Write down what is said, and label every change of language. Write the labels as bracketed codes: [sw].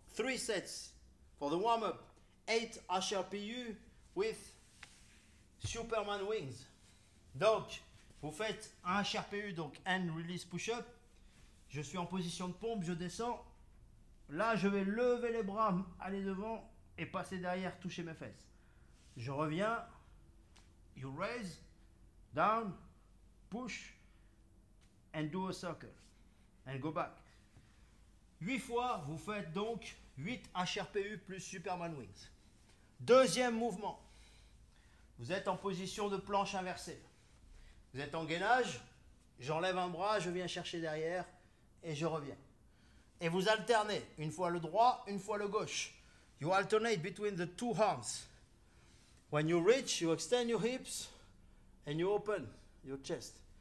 [en] 3 sets for the warm-up. 8 HRPU with Superman Wings. [fr] Donc, vous faites un HRPU, donc end release push-up. Je suis en position de pompe, je descends. Là, je vais lever les bras, aller devant et passer derrière, toucher mes fesses. Je reviens. [en] You raise, down, push, and do a circle. And go back. [fr] 8 fois, vous faites donc 8 HRPU plus Superman Wings. Deuxième mouvement. Vous êtes en position de planche inversée. Vous êtes en gainage. J'enlève un bras, je viens chercher derrière et je reviens. Et vous alternez une fois le droit, une fois le gauche. [en] You alternate between the two arms. When you reach, you extend your hips and you open your chest.